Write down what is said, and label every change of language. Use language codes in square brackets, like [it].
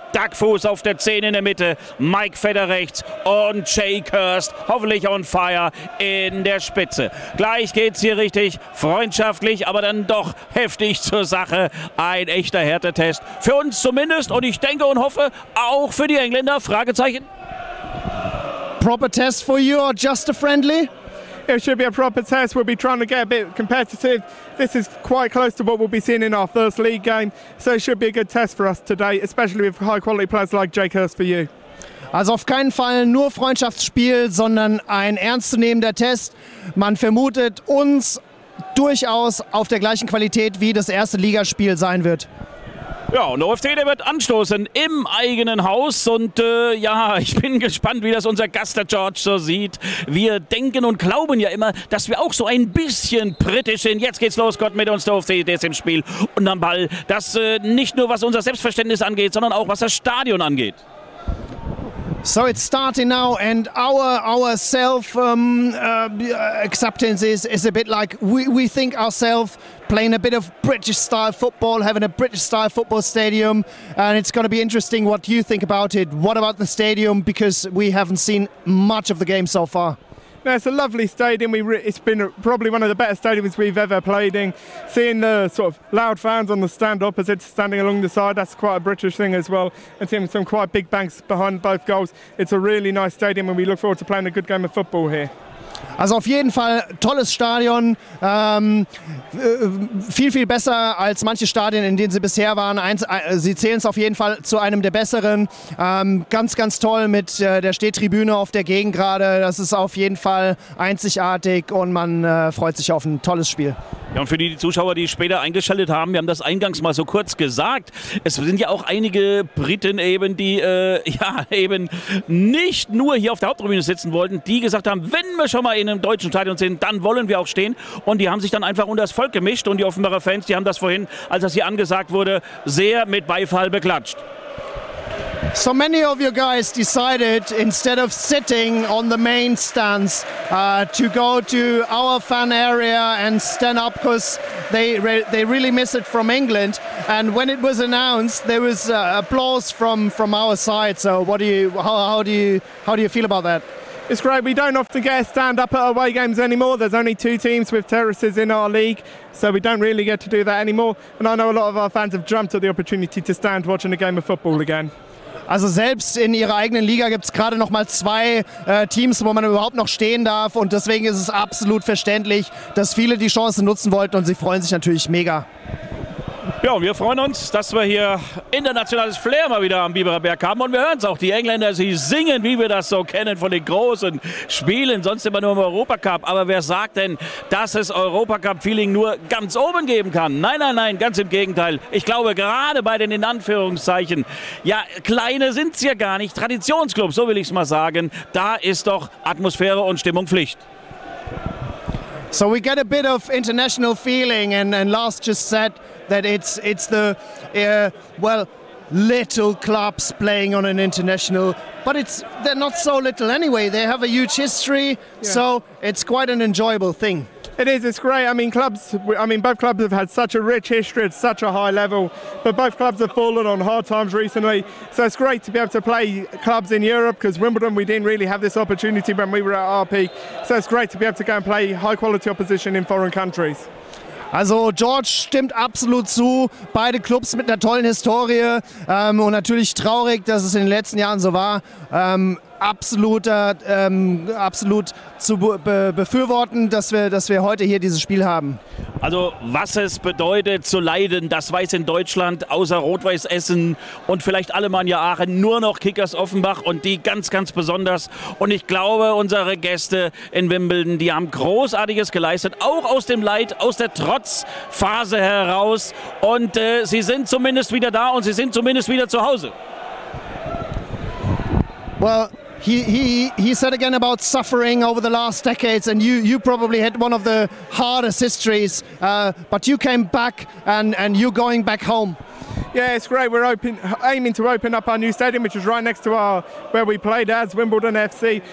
[de] Duckfuß auf der 10 in der Mitte. Mike Vedder rechts. Und Jake Hurst, hoffentlich [en] on fire [de] in der Spitze. Gleich geht's hier richtig freundschaftlich, aber dann doch heftig zur Sache. Ein echter Härtetest für uns zumindest und ich denke und hoffe auch für die Engländer. Fragezeichen. [en] Proper test for you or just a friendly? it should be a proper test. We'll be trying to get a bit competitive. This is quite close to what we'll be seeing in our first league game, so it should be a good test for us today, especially with high-quality players like Jake Hurst for you. [de] Also auf keinen Fall nur Freundschaftsspiel, sondern ein ernstzunehmender Test. Man vermutet uns durchaus auf der gleichen Qualität, wie das erste Ligaspiel sein wird. Ja, und der OFC, der wird anstoßen im eigenen Haus. Und ja, ich bin gespannt, wie das unser Gast, der George, so sieht. Wir denken und glauben ja immer, dass wir auch so ein bisschen britisch sind. Jetzt geht's los, Gott mit uns, der OFC, der ist im Spiel und am Ball. Das nicht nur, was unser Selbstverständnis angeht, sondern auch, was das Stadion angeht. [en] So it's starting now, and our self acceptance is a bit like we think ourselves playing a bit of British style football, having a British style football stadium, and it's going to be interesting what you think about it. What about the stadium? Because we haven't seen much of the game so far. Yeah, it's a lovely stadium. It's been probably one of the better stadiums we've ever played in. Seeing the sort of loud fans on the stand opposite, standing along the side, that's quite a British thing as well. And seeing some quite big banks behind both goals. It's a really nice stadium and we look forward to playing a good game of football here. [de] Also auf jeden Fall tolles Stadion, viel, viel besser als manche Stadien, in denen sie bisher waren. Sie zählen es auf jeden Fall zu einem der besseren. Ganz, ganz toll mit der Stehtribüne auf der Gegend gerade. Das ist auf jeden Fall einzigartig und man freut sich auf ein tolles Spiel. Ja, und für die Zuschauer, die später eingeschaltet haben, wir haben das eingangs mal so kurz gesagt. Es sind ja auch einige Briten eben, die ja eben nicht nur hier auf der Haupttribüne sitzen wollten, die gesagt haben, wenn wir schon mal in einem deutschen Stadion sind, dann wollen wir auch stehen. Und die haben sich dann einfach unter das Volk gemischt und die Offenbacher Fans, die haben das vorhin, als das hier angesagt wurde, sehr mit Beifall beklatscht. [en] So many of you guys decided, instead of sitting on the main stands, to go to our fan area and stand up because they really miss it from England. And when it was announced, there was applause from our side. So what do you how do you feel about that? It's great. We don't often get a stand up at away games anymore. There's only two teams with terraces in our league, so we don't really get to do that anymore. And I know a lot of our fans have jumped at the opportunity to stand watching a game of football again. [de] Also selbst in ihrer eigenen Liga gibt es gerade noch mal zwei Teams, wo man überhaupt noch stehen darf. Und deswegen ist es absolut verständlich, dass viele die Chance nutzen wollten und sie freuen sich natürlich mega. Ja, und wir freuen uns, dass wir hier internationales Flair mal wieder am Biberer Berg haben. Und wir hören es auch, die Engländer, sie singen, wie wir das so kennen von den großen Spielen, sonst immer nur im Europacup. Aber wer sagt denn, dass es Europacup-Feeling nur ganz oben geben kann? Nein, nein, nein, ganz im Gegenteil. Ich glaube, gerade bei den in Anführungszeichen, ja, kleine sind es ja gar nicht, Traditionsclub, so will ich es mal sagen, da ist doch Atmosphäre und Stimmung Pflicht. [en] So we get a bit of international feeling, and Lars just said that it's the well, little clubs playing on an international, but they're not so little anyway. They have a huge history, yeah. So it's quite an enjoyable thing. It is. It's great. Both clubs have had such a rich history at such a high level, but both clubs have fallen on hard times recently. So it's great to be able to play clubs in Europe, because Wimbledon, we didn't really have this opportunity when we were at our peak. So it's great to be able to go and play high quality opposition in foreign countries. [de] Also George stimmt absolut zu, beide Clubs mit einer tollen Historie und natürlich traurig, dass es in den letzten Jahren so war. Absolut zu befürworten, dass wir heute hier dieses Spiel haben. Also was es bedeutet zu leiden, das weiß in Deutschland außer Rot-Weiß Essen und vielleicht Alemannia Aachen nur noch Kickers Offenbach und die ganz, ganz besonders. Und ich glaube, unsere Gäste in Wimbledon, die haben Großartiges geleistet, auch aus dem Leid, aus der Trotzphase heraus. Und sie sind zumindest wieder da und sie sind zumindest wieder zu Hause. [en] Well, he said again about suffering over the last decades, and you probably had one of the hardest histories, but you came back and you're going back home. Yeah, it's great. We're aiming to open up our new stadium, which is right next to where we played as Wimbledon FC.